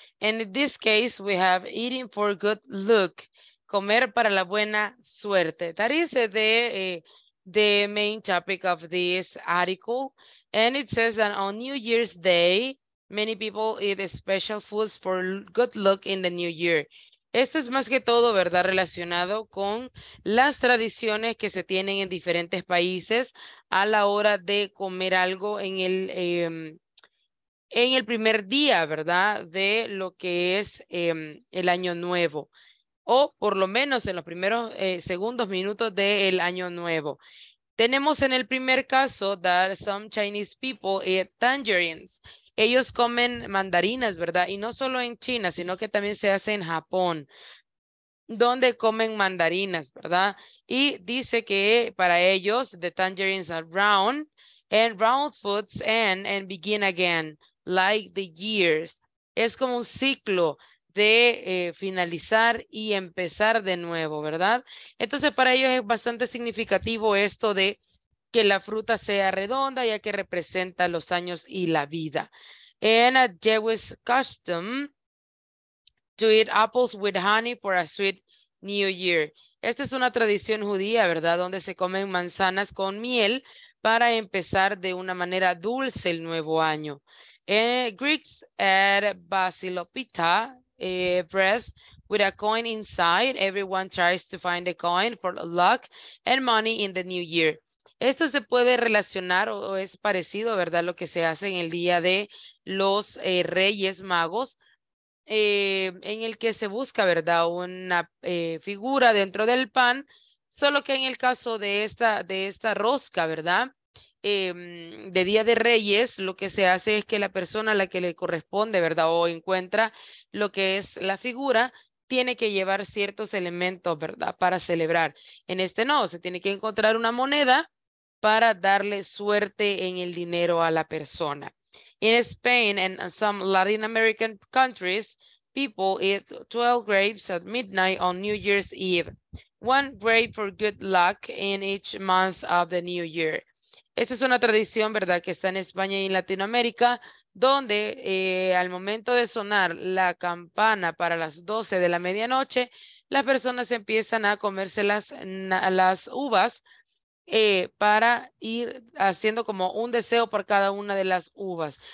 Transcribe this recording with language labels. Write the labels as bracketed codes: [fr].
[en] And in this case, we have eating for good luck, comer para la buena suerte. That is the main topic of this article. And it says that on New Year's Day, many people eat special foods for good luck in the new year. [es] Esto es más que todo, ¿verdad?, relacionado con las tradiciones que se tienen en diferentes países a la hora de comer algo en el primer día, ¿verdad?, de lo que es el año nuevo, o por lo menos en los primeros segundos minutos del año nuevo. Tenemos en el primer caso that some Chinese people eat tangerines. Ellos comen mandarinas, ¿verdad? Y no solo en China, sino que también se hace en Japón, donde comen mandarinas, ¿verdad? Y dice que para ellos, the tangerines are round, and round foods end and begin again, like the years. Es como un ciclo de finalizar y empezar de nuevo, ¿verdad? Entonces, para ellos es bastante significativo esto de que la fruta sea redonda, ya que representa los años y la vida. [en] And a Jewish custom to eat apples with honey for a sweet new year. [es] Esta es una tradición judía, ¿verdad?, donde se comen manzanas con miel para empezar de una manera dulce el nuevo año. [en] And Greeks add basilopita, bread, with a coin inside. Everyone tries to find a coin for luck and money in the new year. [es] Esto se puede relacionar o es parecido, ¿verdad?, lo que se hace en el día de los Reyes Magos, en el que se busca, ¿verdad?, una figura dentro del pan, solo que en el caso de esta rosca, ¿verdad?, de Día de Reyes, lo que se hace es que la persona a la que le corresponde, ¿verdad?, o encuentra lo que es la figura, tiene que llevar ciertos elementos, ¿verdad?, para celebrar. En este no, se tiene que encontrar una moneda para darle suerte en el dinero a la persona. [en] In Spain and some Latin American countries, people eat 12 grapes at midnight on New Year's Eve. One grape for good luck in each month of the New Year. [es] Esta es una tradición, ¿verdad?, que está en España y en Latinoamérica, donde al momento de sonar la campana para las 12 de la medianoche, las personas empiezan a comerse las uvas para ir haciendo como un deseo por cada una de las uvas.